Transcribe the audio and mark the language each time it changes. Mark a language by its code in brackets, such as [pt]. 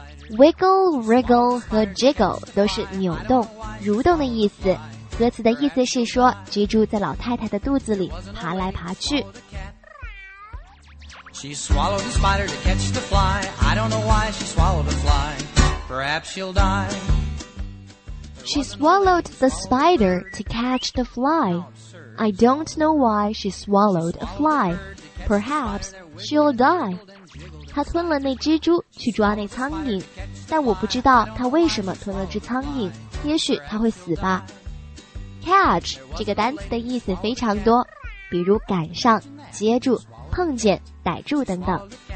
[zh] Wiggle, wriggle 和 jiggle 都是扭动、蠕动的意思。歌词的意思是说，蜘蛛在老太太的肚子里爬来爬去。 [en] She swallowed a spider to catch the fly. I don't know why she swallowed a fly. Perhaps she'll die. She swallowed the spider to catch the fly. I don't know why she swallowed a fly. Perhaps she'll die. [zh] 他吞了那蜘蛛去抓那苍蝇，但我不知道他为什么吞了只苍蝇，也许他会死吧。 Catch 这个单词的意思非常多，比如赶上、接住、碰见、逮住等等。